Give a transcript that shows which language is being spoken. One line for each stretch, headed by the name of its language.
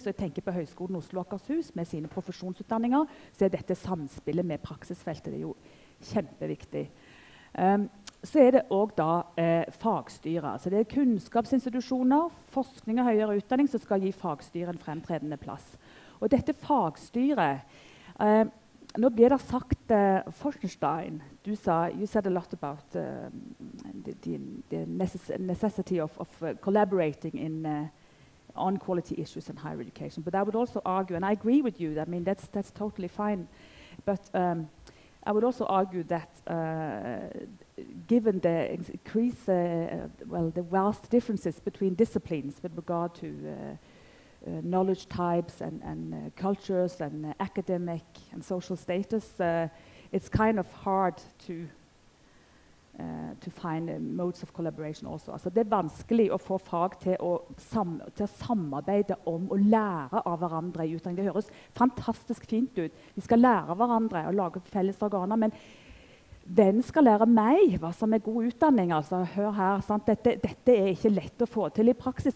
Norwegian: Så jeg tenker på Høgskolen Oslo Akershus med sine profesjonsutdanninger, så er dette samspillet med praksisfeltet jo kjempeviktig. Så er det også da fagstyret. Så det er kunnskapsinstitusjoner, forskning og høyere utdanning som skal gi fagstyret en fremtredende plass. Og dette fagstyret, nå blir det sagt, Forschenstein, du sa,
English: you said a lot about the necessity of collaborating on quality issues in higher education. But I would also argue, and I agree with you, that, I mean, that's totally fine. But I would also argue that given the increase, the vast differences between disciplines with regard to knowledge types and cultures and academic and social status, it's kind of hard to find modes of collaboration also.
Norwegian: Altså, det er vanskelig å få fag til å samarbeide om å lære av hverandre i utdanning. Det høres fantastisk fint ut. Vi skal lære hverandre og lage felles organer, men hvem skal lære meg hva som er god utdanning? Altså, hør her, sant? Dette er ikke lett å få til i praksis.